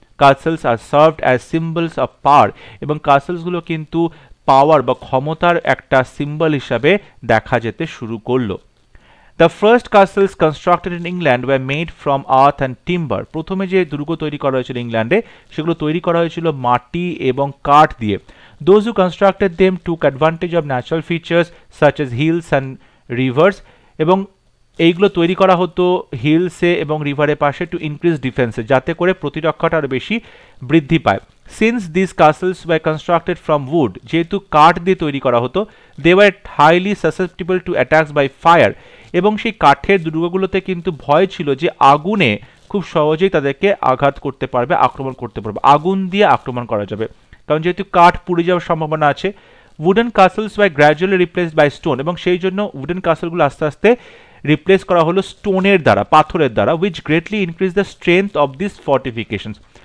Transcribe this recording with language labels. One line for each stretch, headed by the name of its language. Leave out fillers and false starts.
English: castles are served as symbols of power,
Bangla: এবং কাসেলসগুলো কিন্তু পাওয়ার বা ক্ষমতার একটা সিম্বল হিসাবে দেখা যেতে শুরু করলো।
English: The first castles constructed in England were made from earth and timber.
Bangla: প্রথমে যে দুর্গ তৈরি করা হয়েছিল ইংল্যান্ডে সেগুলো তৈরি করা হয়েছিল মাটি এবং কাঠ দিয়ে।
English: Those who constructed them took advantage of natural features such as hills and rivers.
Bangla: এবং এইগুলো তৈরি করা হতো হিলসে এবং রিভারের পাশে
English: to increase ডিফেন্সে,
Bangla: যাতে করে প্রতিরক্ষাটা আরও বেশি বৃদ্ধি পায়।
English: Since these castles were constructed from wood,
Bangla: যেহেতু কাঠ দিয়ে তৈরি করা হতো,
English: they were highly susceptible to attacks by fire.
Bangla: এবং সেই কাঠের দুর্গগুলোতে কিন্তু ভয় ছিল যে আগুনে খুব সহজেই তাদেরকে আঘাত করতে পারবে, আক্রমণ করতে পারবে, আগুন দিয়ে আক্রমণ করা যাবে, কারণ যেহেতু কাঠ পুড়ে যাওয়ার সম্ভাবনা আছে।
English: wooden castles were gradually replaced by stone,
Bangla: এবং সেই জন্য উডেন কাসেলগুলো আস্তে আস্তে রিপ্লেস করা হলো স্টোনের দ্বারা, পাথরের দ্বারা,
English: Which greatly increase the strength of this fortifications.